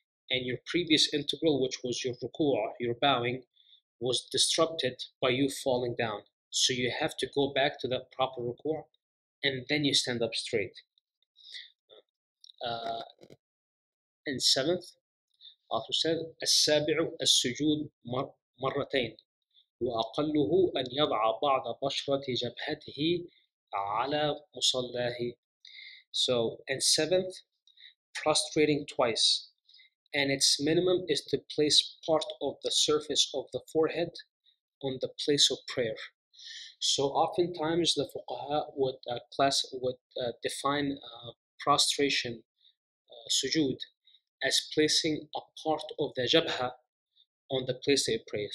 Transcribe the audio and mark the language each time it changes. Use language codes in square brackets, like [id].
[en] And your previous integral, which was your ruku', your bowing, was disrupted by you falling down. So you have to go back to that proper ruku' and then you stand up straight. And seventh, [ar] أستاذ السابع السجود مرتين، وأقله أن يضع بعض بشرة جبهته على مصلاه. [en] So, and seventh, prostrating twice. And its minimum is to place part of the surface of the forehead on the place of prayer. So oftentimes the fuqaha would define prostration sujood as placing a part of the jabha on the place they pray.